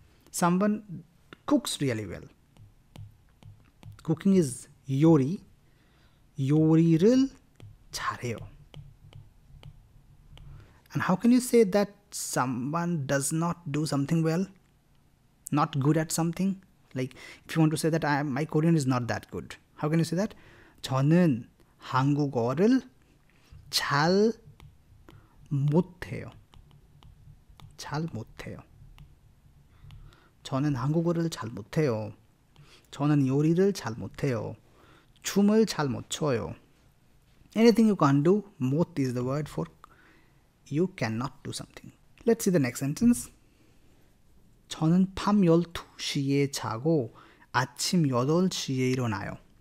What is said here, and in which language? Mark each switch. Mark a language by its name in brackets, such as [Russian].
[English] Someone cooks really well. Cooking is 요리. [Korean] 요리를 잘해요. [English] And how can you say that someone does not do something well? Not good at something? Like, if you want to say that my Korean is not that good. How can you say that? [Korean] 저는 한국어를 잘 못해요. 잘 못해요. 저는 한국어를 잘 못해요. 저는 요리를 잘 못해요. 춤을 잘 못 춰요. [English] Anything you can't do, 못 is the word for you cannot do something. Let's see the next sentence. [Korean] 저는 밤 12시에 자고 아침 8시에 일어나요.